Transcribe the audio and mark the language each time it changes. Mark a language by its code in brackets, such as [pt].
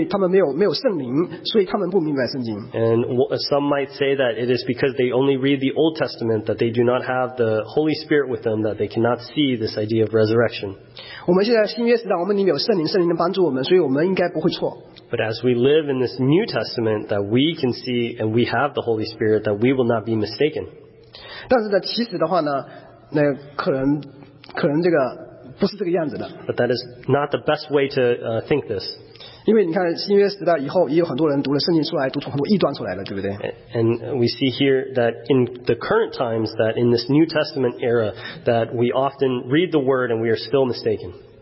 [zh] 那也许的话，弟兄们会说，哦，那是因为旧约，对吧？因为他们没有圣灵，所以他们不明白圣经。 [en] And some might say that it is because they only read the Old Testament that they do not have the Holy Spirit with them that they cannot see this idea of resurrection. [zh] 我们现在新约时代，我们里面有圣灵，圣灵能帮助我们，所以我们应该不会错。 [en] But as we live in this New Testament that we can see and we have the Holy Spirit that we will not be mistaken. [zh] 但是呢，其实的话呢，那可能这个。 [en] But that is not the best way to think this. [zh] 因为你看新约时代以后，也有很多人读了圣经出来，读出很多异端出来了，对不对？ [en] And we see here that in the current times, that in this New Testament era, that we often read the word and we are still mistaken.